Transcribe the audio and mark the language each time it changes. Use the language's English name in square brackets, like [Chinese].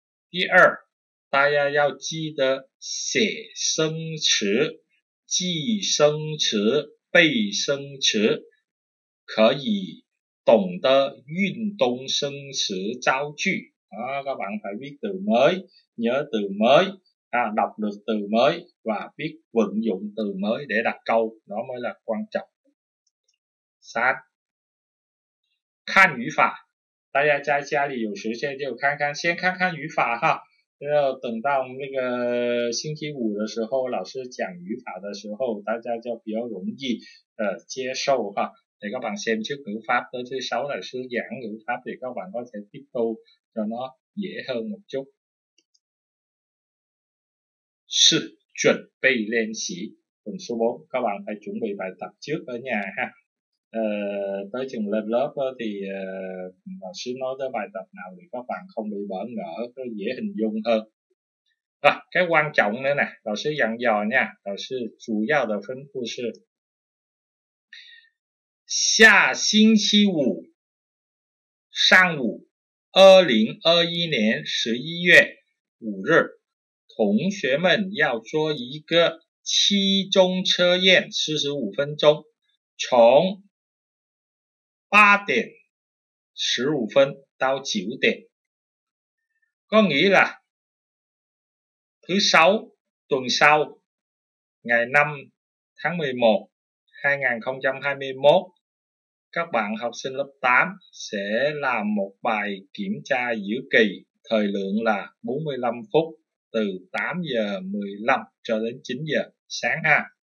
[Chinese] 第二，大家要记得写生词，记生词、背生词，可以懂得运动生词造句。啊， [Vietnamese] các bạn phải viết từ mới, nhớ từ mới, đọc được từ mới và biết vận dụng từ mới để đặt câu, đó mới là quan trọng. [Chinese] 三, 看语法, 大家在家里有时间就看看, 先看看语法哈。要等到那个星期五的时候，老师讲语法的时候，大家就比较容易接受哈。 để các bạn xem trước ngữ pháp, tới thứ sáu là sư giảng ngữ pháp thì các bạn có thể tiếp thu cho nó dễ hơn một chút. [Vietnamese] Sự chuẩn bị lên sĩ phần số 4, các bạn phải chuẩn bị bài tập trước ở nhà ha. Tới trường lên lớp thì lão sư nói tới bài tập nào thì các bạn không bị bỡ ngỡ, có dễ hình dung hơn. Cái quan trọng nữa nè, lão sư dặn dò nha, lão sư chủ yếu là phân khu sư. [Chinese] 下星期五上午2021年11月5日同学们要做一个期中测验45分钟从8点15分到9点。 [Vietnamese] có nghĩa là thứ sáu tuần sau ngày 5 tháng 11 2021, các bạn học sinh lớp 8 sẽ làm một bài kiểm tra giữa kỳ, thời lượng là 45 phút từ 8:15 cho đến 9:00 sáng ha.